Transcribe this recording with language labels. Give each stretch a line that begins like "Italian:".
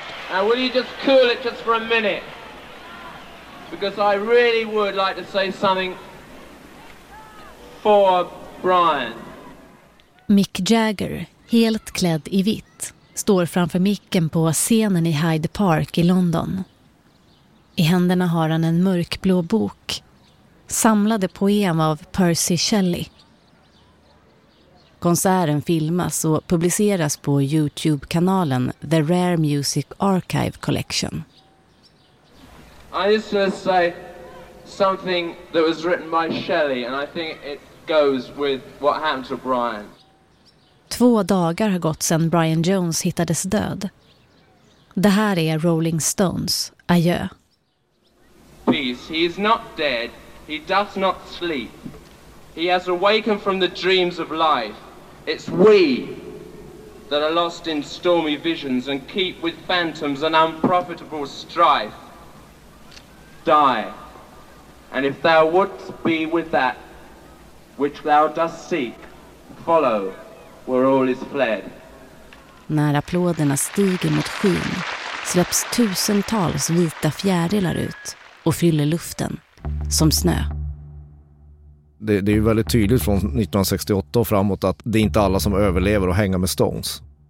English: Now, will you just cool it just for a minute? Because I really would like to say something for Brian.
Swedish: Mick Jagger, helt klädd i vitt, står framför micken på scenen i Hyde Park i London. I händerna har han en mörkblå bok, samlade poem av Percy Shelley. Konserten filmas och publiceras på YouTube-kanalen The Rare Music Archive Collection.
English: I just want to say something that was written by Shelley, and I think it goes with what happened to Brian.
Swedish: 2 dagar har gått sedan Brian Jones hittades död. Det här är Rolling Stones. Adjö.
English: Peace. He is not dead. He does not sleep. He has awakened from the dreams of life. It's we that are lost in stormy visions and keep with phantoms an unprofitable strife. Die, and if thou wouldst be with that which thou dost seek, follow where all is fled.
Swedish: När applåderna stiger mot skyn släpps tusentals vita fjärilar ut och fyller luften som snö. Det är ju väldigt tydligt från 1968 och framåt att det är inte alla som överlever och hänger med Stones.